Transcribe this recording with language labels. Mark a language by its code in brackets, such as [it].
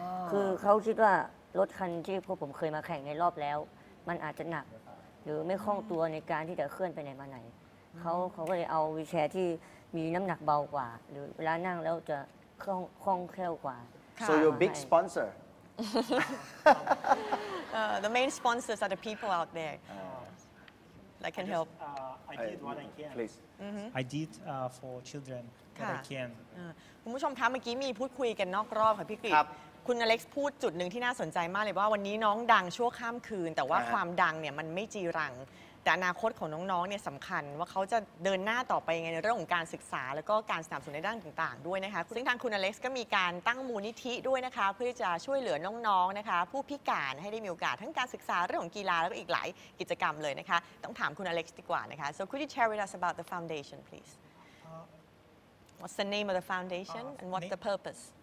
[th] คือเขาคิดว่ารถคันที่พวกผมเคยมาแข่งในรอบแล้วมันอาจจะหนักหรือไม่คล่องตัวในการที่จะเคลื่อนไปไหนมาไหนเขาก็เลยเอาวีลแชร์ที่มีน้ำหนักเบากว่าหรือเวลานั่งแล้วจะคล่องแคล่วกว่า [en] so your big sponsor the main sponsors are the people out there that can help I did what I can please I did for children what I can [th] คุณผู้ชมคะเมื่อกี้มีพูดคุยกันนอกรอบค่ะพี่กฤตคุณอเล็กซ์พูดจุดหนึ่งที่น่าสนใจมากเลยว่าวันนี้น้องดังชั่วข้ามคืนแต่ว่าความดังเนี่ยมันไม่จีรัง แต่อนาคตของน้องๆเนี่ยสำคัญว่าเขาจะเดินหน้าต่อไปยังไงในเรื่องของการศึกษาแล้วก็การสนับสนุนในด้านต่างๆด้วยนะคะซึ่งทางคุณอเล็กซ์ก็มีการตั้งมูลนิธิด้วยนะคะเพื่อจะช่วยเหลือน้องๆ นะคะผู้พิการให้ได้มีโอกาสทั้งการศึกษาเรื่องของกีฬาแล้วก็อีกหลายกิจกรรมเลยนะคะต้องถามคุณอเล็กซ์ดีกว่านะคะ [en] so could you share with us about the foundation please what's the name of the foundation and what's the purpose